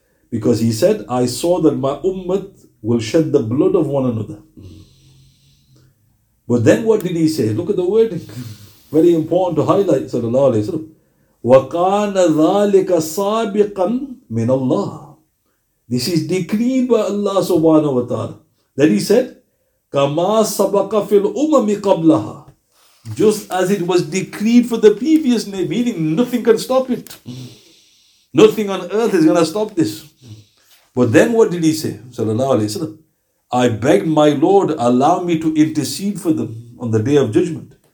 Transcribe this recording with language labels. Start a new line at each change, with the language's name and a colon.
English: Because he said, I saw that my ummah will shed the blood of one another. But then what did he say? Look at the wording. Very important to highlight, sallallahu alayhi wa sallam.
Arabic: وَقَانَ ذَٰلِكَ سَابِقًا مِنَ اللَّهِ.
English: This is decreed by Allah subhanahu wa ta'ala. Then he said,
Arabic: كَمَا سَبَقَ فِي الْأُمَمِ قَبْلَهَا.
English: Just as it was decreed for the previous name, meaning nothing can stop it. Nothing on earth is going to stop this. But then what did he say? Sallallahu alayhi wa sallam. I beg my Lord, allow me to intercede for them on the day of judgment.